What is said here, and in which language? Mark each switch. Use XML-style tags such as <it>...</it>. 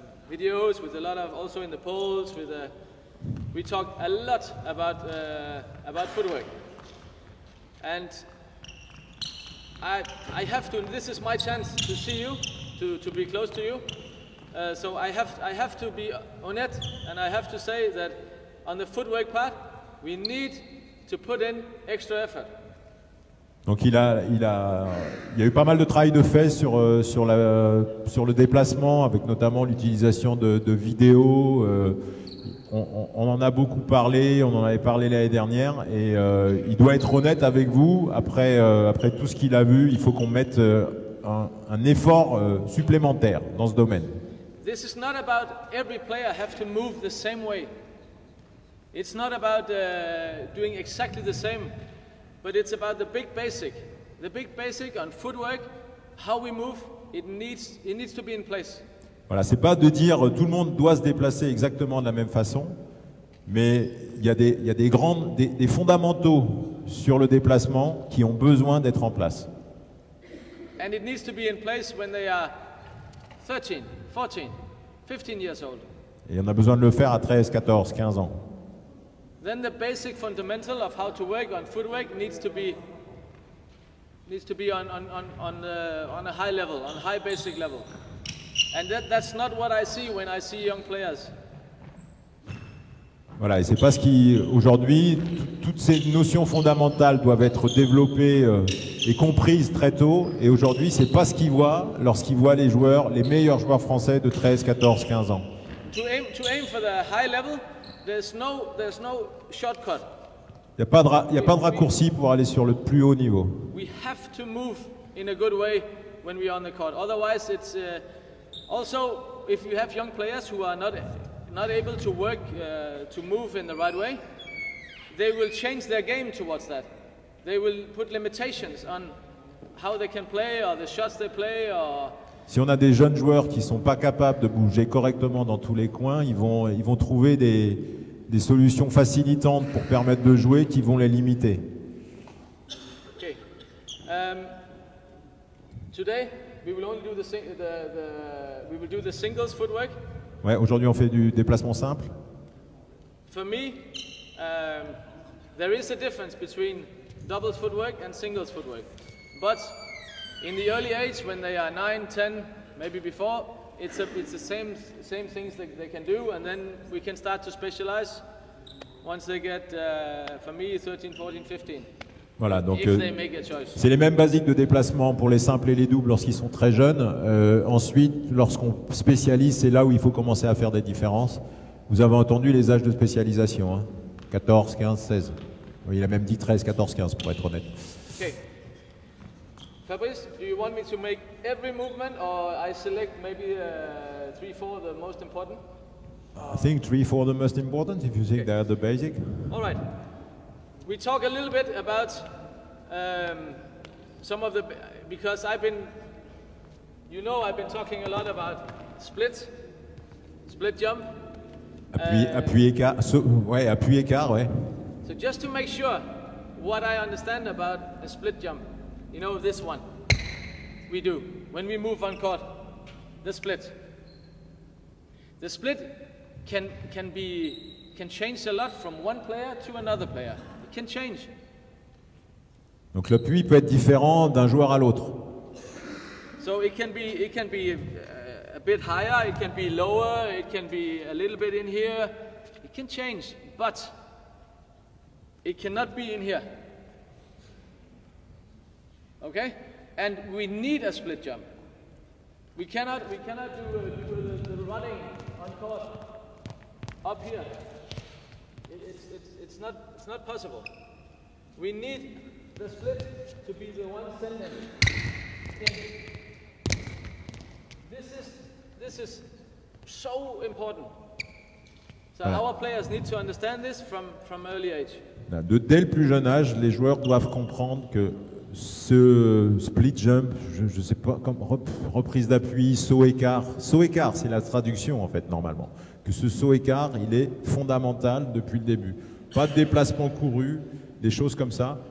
<en>videos with a lot of also in the polls with we talked a lot about footwork, and I have to, this is my chance to see you, to be close to you, so I have to be honest, and I have to say that on the footwork part we need to put in extra effort.</en> <fr>Donc il y a eu pas mal de travail de fait sur le déplacement, avec notamment l'utilisation de vidéos. On en a beaucoup parlé, on en avait parlé l'année dernière, et il doit être honnête avec vous. Après tout ce qu'il a vu, il faut qu'on mette un effort supplémentaire dans ce domaine.</fr> <en>This is not about every player have to move the same way. It's not about doing exactly the same. But it's about the big basic on footwork, how we move. It needs to be in place.</en> <fr>Voilà, c'est pas de dire tout le monde doit se déplacer exactement de la même façon, mais il y a des grandes, des fondamentaux sur le déplacement qui ont besoin d'être en place.</fr> <en>And it needs to be in place when they are 13, 14, 15 years old.</en> <fr>Et on a besoin de le faire à 13, 14, 15 ans.</fr> <en>Then the basic fundamental of how to work on footwork needs to be on a high level, on high basic level, and that's not what I see when I see young players.</en> <fr>Voilà, et c'est pas ce qui aujourd'hui toutes ces notions fondamentales doivent être développées et comprises très tôt. Et aujourd'hui, c'est pas ce qu'ils voient lorsqu'ils voient les joueurs, les meilleurs joueurs français de 13, 14, 15 ans.</fr> <en>To aim for the high level. There's no shortcut.</en> <fr>Il y a pas de raccourci pour aller sur le plus haut niveau.</fr> <en>We have to move in a good way when we are on the court. Otherwise, it's also if you have young players who are not able to work to move in the right way, they will change their game towards that. They will put limitations on how they can play or the shots they play or...</en> <fr>Si on a des jeunes joueurs qui ne sont pas capables de bouger correctement dans tous les coins, ils vont trouver des solutions facilitantes pour permettre de jouer qui vont les limiter.</fr> <en>Okay. Today we will only do the singles footwork.</en> <fr>Ouais, aujourd'hui on fait du déplacement simple.</fr> <en>For me, there is a difference between doubles footwork and singles footwork. But in the early age, when they are 9, 10, maybe before, it's the same things that they can do, and then we can start to specialize once they get, for me, 13, 14, 15.</en> <fr>Voilà, donc c'est les mêmes basiques de déplacement pour les simples et les doubles lorsqu'ils sont très jeunes. Ensuite, lorsqu'on spécialise, c'est là où il faut commencer à faire des différences. Vous avez entendu les âges de spécialisation, hein? 14, 15, 16. Oui, il a même dit 13, 14, 15, pour être honnête.</fr> <en>Okay. Fabrice, do you want me to make every movement or I select maybe 3-4 the most important? I think 3-4 the most important if you think okay. They are the basic. All right. We talk a little bit about some of the because I've been talking a lot about split jump.</en> <fr>Appui écart.</fr> <en>So just to make sure what I understand about a split jump. You know this one. We do when we move on court, the split can change a lot from one player to another player. It can change.</en> <fr>Donc l'appui peut être différent d'un joueur à l'autre.</fr> <en>So it can be a bit higher, it can be lower, it can be a little bit in here. It can change, but it cannot be in here. Okay? And we need a split jump. We cannot do the running on court up here. It's not possible. We need the split to be the one sending. This is so important. So voilà. Our players need to understand this from early age.</en> <fr>Dès le plus jeune âge, les joueurs doivent comprendre que ce split jump, je ne sais pas, comme reprise d'appui, saut écart, c'est la traduction en fait normalement. Que ce saut écart, il est fondamental depuis le début. Pas de déplacement couru, des choses comme ça.</fr>